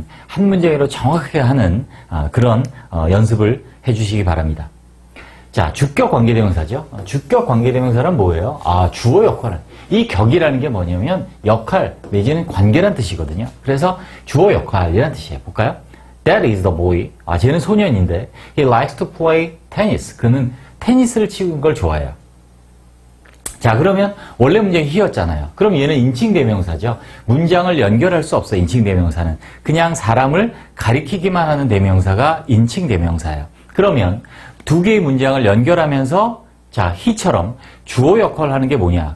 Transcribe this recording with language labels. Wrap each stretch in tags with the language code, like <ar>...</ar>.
<ko>한 문장으로 정확하게 하는 연습을 해주시기 바랍니다. 자, 주격 관계대명사죠. 주격 관계대명사란 뭐예요? 주어 역할은 이 격이라는 게 뭐냐면 역할 내지는 관계란 뜻이거든요. 그래서 주어 역할이란 뜻이에요.</ko> <en>볼까요? That is the boy.</en> <ko>아, 쟤는 소년인데</ko> <en>he likes to play tennis.</en> <ko>그는 테니스를 치는 걸 좋아해요. 자, 그러면 원래 문장이 he였잖아요. 그럼 얘는 인칭 대명사죠. 문장을 연결할 수 없어요. 인칭 대명사는 그냥 사람을 가리키기만 하는 대명사가 인칭 대명사예요. 그러면 두 개의 문장을 연결하면서 자, he처럼 주어 역할을 하는 게 뭐냐?</ko>